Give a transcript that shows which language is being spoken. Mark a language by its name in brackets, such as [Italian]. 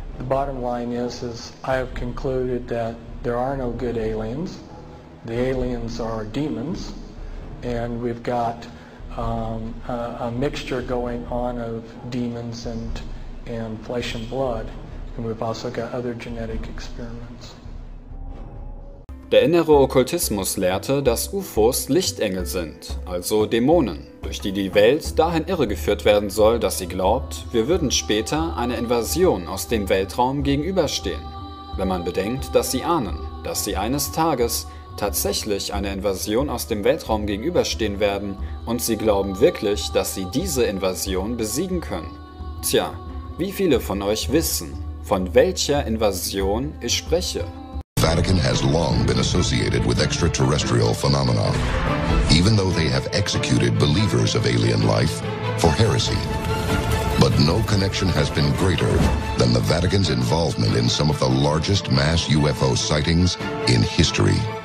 [English] The bottom line is I have concluded that there are no good aliens. The aliens are demons. And we've got a mixture going on of demons and flesh and blood. And we've also got other genetic experiments. [German] Der innere Okkultismus lehrte, dass UFOs Lichtengel sind, also Dämonen, durch die die Welt dahin irregeführt werden soll, dass sie glaubt, wir würden später einer Invasion aus dem Weltraum gegenüberstehen, wenn man bedenkt, dass sie ahnen, dass sie eines Tages tatsächlich einer Invasion aus dem Weltraum gegenüberstehen werden und sie glauben wirklich, dass sie diese Invasion besiegen können. Tja, wie viele von euch wissen, von welcher Invasion ich spreche? [English] Vatican has long been associated with extraterrestrial phenomena, even though they have executed believers of alien life for heresy. But no connection has been greater than the Vatican's involvement in some of the largest mass UFO sightings in history.